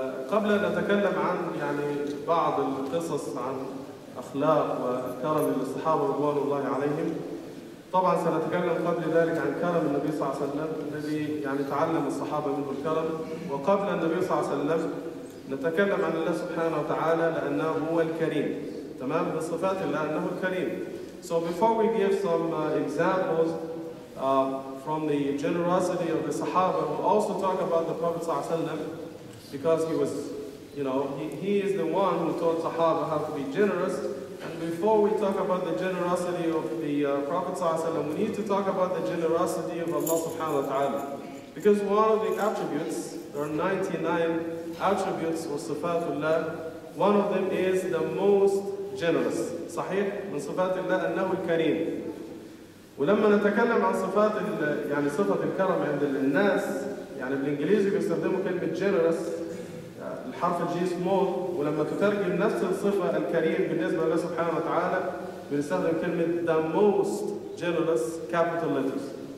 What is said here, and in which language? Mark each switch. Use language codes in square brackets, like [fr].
[ar] قبل أن أتكلم عن يعني بعض القصص عن أخلاق وكرم الصحابة رضوان الله عليهم، طبعا سنتكلم قبل ذلك عن كرم النبي صلى الله عليه وسلم الذي يعني تعلم الصحابة منه الكرم. وقبل النبي صلى الله عليه وسلم نتكلم عن الله سبحانه وتعالى لأنه هو الكريم، تمام، من صفات الله أنه الكريم. [en] So before we give some examples from the generosity of the Sahaba, we'll also talk about the Prophet Sallallahu Alaihi Wasallam, because he was, you know, he is the one who taught Sahaba how to be generous. And before we talk about the generosity of the Prophet Sallallahu Alaihi Wasallam, we need to talk about the generosity of Allah Subhanahu Wa Ta'ala. Because one of the attributes, there are 99 attributes of Sifatullah, one of them is the most generous. [ar] Sahih? من صفات الله أنه الكريم. ولما نتكلم عن صفات يعني صفة الكرم عند الناس، يعني بالإنجليزي بيستخدموا كلمة generous، الحرف الجي small، ولما تترجم نفس الصفة الكريم بالنسبة لله سبحانه وتعالى بنستخدم كلمة [en] the most generous capital letters.